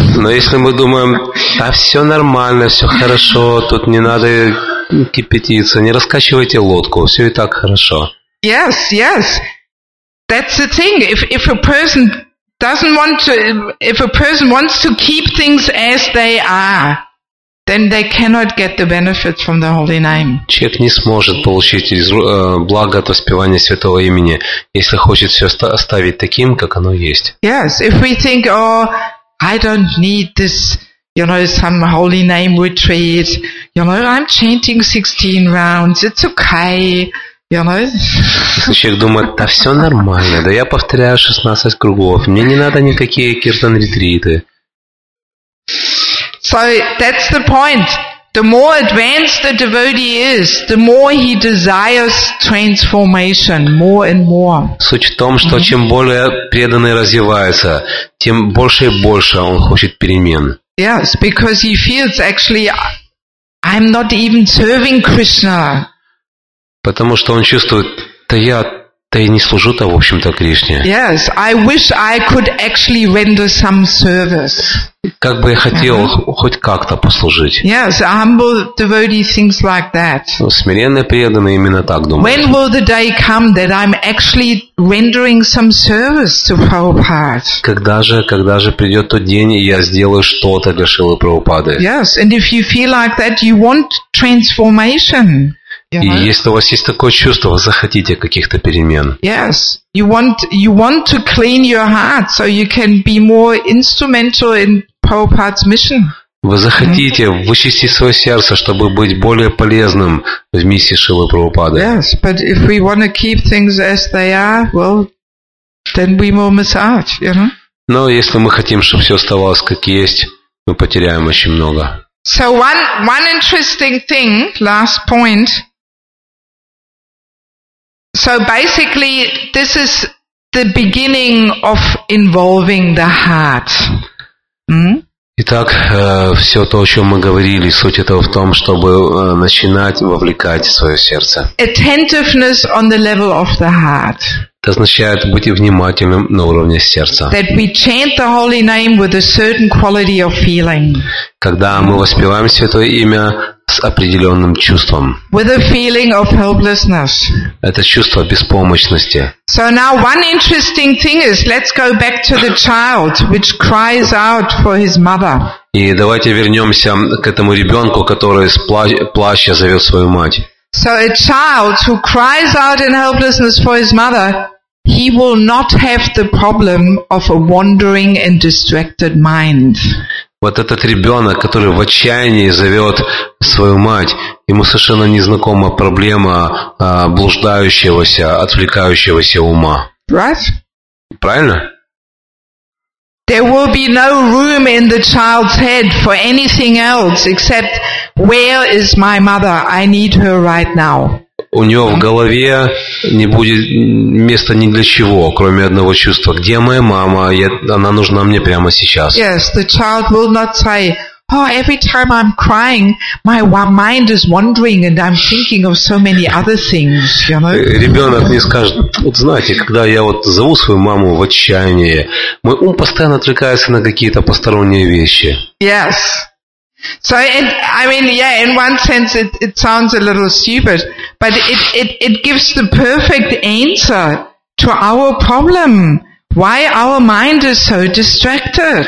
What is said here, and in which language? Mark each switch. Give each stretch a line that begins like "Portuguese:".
Russian: Но если мы думаем, да, все нормально, все хорошо, тут не надо кипятиться, не раскачивайте лодку, все и так хорошо.
English: Yes, yes, that's the thing. If a person doesn't want to, if a person wants to keep things as they are, then they cannot get the benefits from the holy name.
Russian: Человек не сможет получить благо от воспевания святого имени, если хочет все оставить таким, как оно есть.
English: Yes, if we think, oh, I don't need this, you know, some holy name retreat, you know, I'm chanting 16 rounds, it's okay. You know?
Russian: Если человек думает, да все нормально, да я повторяю 16 кругов, мне не надо никакие киртан-ретриты.
English: So that's the point. The more advanced the devotee is, the more he desires transformation, more and more.
Russian: Суть в том, что чем более преданный развивается, тем больше и больше он хочет перемен.
English: Yes, because he feels actually, I'm not even serving Krishna.
Russian: Потому что он чувствует, да я не служу-то, в общем-то, Кришне.
English: Yes, I wish I could actually render some service.
Russian: Как бы я хотел хоть как-то послужить.
English: Yes, a humble devotee thinks like that.
Russian: Смиренный преданный именно так думает.
English: When will the day come that I'm actually rendering some service to Prabhupada?
Russian: Когда же придет тот день, и я сделаю что-то для Шрилы Прабхупады?
English: Yes, and if you feel like that, you want transformation.
Russian: И если у вас есть такое чувство, вы захотите каких-то перемен.
English: Yes, you want to clean your heart so you can be more instrumental in Prabhupada's mission.
Russian: Вы захотите вычистить свое сердце, чтобы быть более полезным в миссии Шрилы Прабхупады.
English: Yes, but if we want to keep things as they are, well, then we will miss out, you know.
Russian: Но если мы хотим, чтобы все оставалось как есть, мы потеряем очень много.
English: So one interesting thing, last point. So basically, this is the beginning of involving the heart.
Russian: Итак, все то, о чем мы говорили, суть этого в том, чтобы начинать вовлекать свое сердце.
English: Attentiveness on the level of the heart.
Russian: Это означает быть внимательным на уровне сердца.
English: That we chant the holy name with a certain quality of feeling.
Russian: Когда мы воспеваем святое имя с определенным чувством.
English: With a feeling of helplessness.
Russian: Это чувство беспомощности.
English: So now one interesting thing is, let's go back to the child which cries out for his mother.
Russian: И давайте вернемся к этому ребенку, который с плача зовет свою мать.
English: So a child who cries out in helplessness for his mother, he will not have the problem of a wandering and distracted mind.
Russian: Вот этот ребенок, который в отчаянии зовет свою мать, ему совершенно незнакома проблема блуждающегося, отвлекающегося ума.
English: Right?
Russian: Правильно?
English: There will be no room in the child's head for anything else except where is my mother? I need her right now.
Russian: у него в голове не будет места ни для чего, кроме одного чувства. Где моя мама? Она нужна мне прямо сейчас.
English: Yes, the child will not say, oh, every time I'm crying, my mind is wandering and I'm thinking of so many other things, you know?
Russian: Ребенок не скажет, вот знаете, когда я вот зову свою маму в отчаянии, мой ум постоянно отвлекается на какие-то посторонние вещи.
English: Yes. So, in one sense, it sounds a little stupid, but it gives the perfect answer to our problem. Why our mind is so distracted?